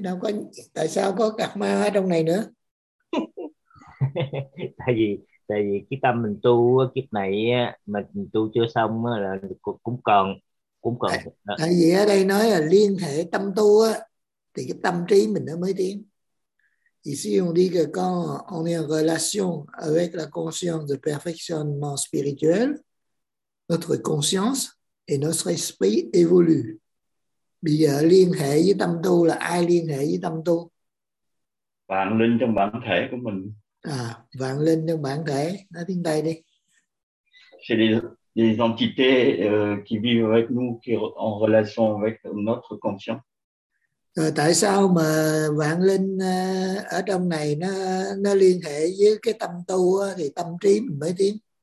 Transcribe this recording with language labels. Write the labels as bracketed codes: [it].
[vi] Đâu có, tại sao có cạc ma ở trong này nữa? tại vì cái tâm mình tu kiếp này mình tu chưa xong là cũng còn tại vì ở đây nói là liên hệ tâm tu á thì cái tâm trí mình nó mới tiến. [fr] Ici on dit que quand on est en relation avec la conscience de perfectionnement spirituel, notre conscience et notre esprit évoluent. [vi] Bây giờ liên hệ với tâm tu là ai liên hệ với tâm tu? Vạn linh trong bản thể của mình. Vạn linh trong bản thể, nói tiếng Tây đi. [fr] Des entités qui vivent avec nous, qui en relation avec notre conscience. [vi] Rồi tại sao mà vạn linh ở trong này nó liên hệ với cái tâm tu thì tâm trí mình mới tiến.